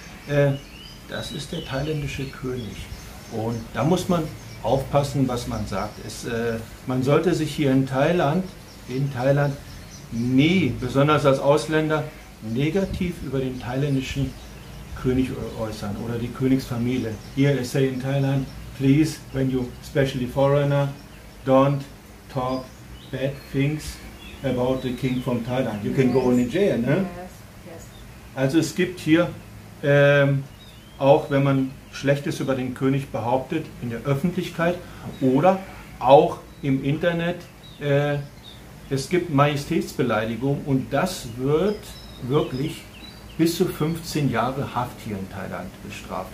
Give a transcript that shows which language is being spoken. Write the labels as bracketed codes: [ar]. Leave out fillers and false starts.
[de] Das ist der thailändische König. Und da muss man aufpassen, was man sagt. Man sollte sich hier in Thailand, nie, besonders als Ausländer, negativ über den thailändischen König äußern oder die Königsfamilie. [en] Here I say in Thailand, please, when you, especially foreigner, don't talk bad things about the king from Thailand. You can go in jail, ne? Yes. Yes. [de] Also es gibt hier, auch wenn man Schlechtes über den König behauptet in der Öffentlichkeit oder auch im Internet. Es gibt Majestätsbeleidigung und das wird wirklich bis zu 15 Jahre Haft hier in Thailand bestraft.